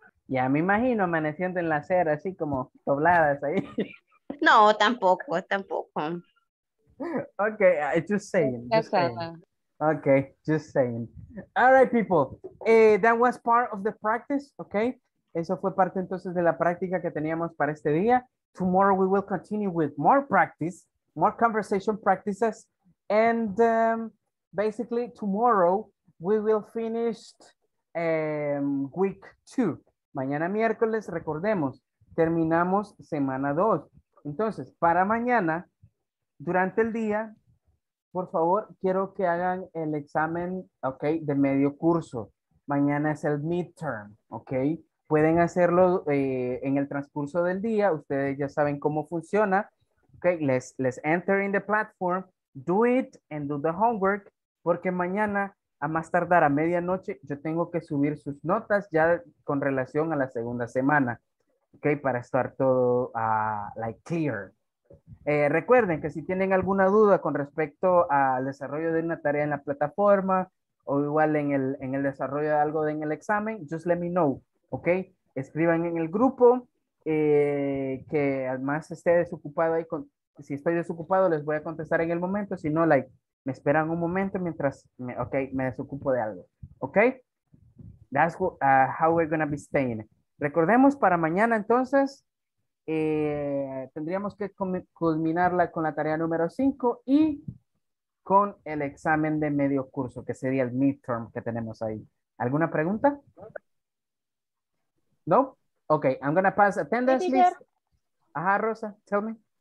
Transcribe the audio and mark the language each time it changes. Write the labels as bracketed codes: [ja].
[es] Ya me imagino amaneciendo en la acera, así como dobladas ahí. No, tampoco, tampoco. [en] Ok, just saying. Ok, just saying. All right, people. That was part of the practice, ok? [es] Eso fue parte entonces de la práctica que teníamos para este día. [en] Tomorrow we will continue with more practice, more conversation practices. And basically, tomorrow we will finish week two. [es] Mañana miércoles, recordemos, terminamos semana 2. Entonces, para mañana, durante el día, por favor, quiero que hagan el examen, ok, de medio curso. Mañana es el midterm, ok. Pueden hacerlo en el transcurso del día. Ustedes ya saben cómo funciona. [en] Okay, let's enter in the platform. Do it and do the homework. [es] Porque mañana, a más tardar a medianoche, yo tengo que subir sus notas ya con relación a la segunda semana. Okay, para estar todo [en] like clear. [es] Recuerden que si tienen alguna duda con respecto al desarrollo de una tarea en la plataforma o igual en el desarrollo de algo en el examen, [en] just let me know. [es] Ok, escriban en el grupo, que además esté desocupado ahí. Si estoy desocupado, les voy a contestar en el momento. Si no, like, me esperan un momento mientras me desocupo de algo. [en] Ok, that's how we're going to be staying. [es] Recordemos, para mañana entonces, tendríamos que culminarla con la tarea número 5 y con el examen de medio curso, que sería el midterm que tenemos ahí. ¿Alguna pregunta? [en] No? Okay, I'm going to pass attendance list. Ajá, Rosa, tell me.